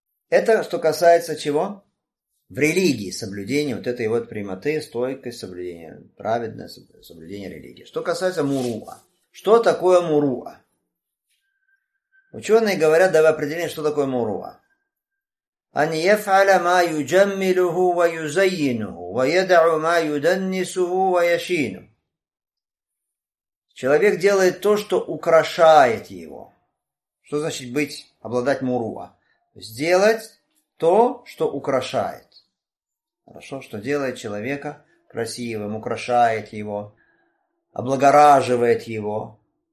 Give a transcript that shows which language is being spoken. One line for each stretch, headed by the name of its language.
Russian: Это что касается чего? В религии соблюдения вот этой вот прямоты, стойкость, соблюдение, праведное соблюдение религии. Что касается муруа. Что такое муруа? Ученые говорят, давай определение, что такое муруа.
Arabic: أن يفعل ما يجمله ويزينه ويدع ما يدنسه ويشينه.
Russian: Человек делает то, что украшает его. Что значит быть, обладать муруа? Сделать то, что украшает. Хорошо, что делает человека красивым, украшает его, облагораживает его.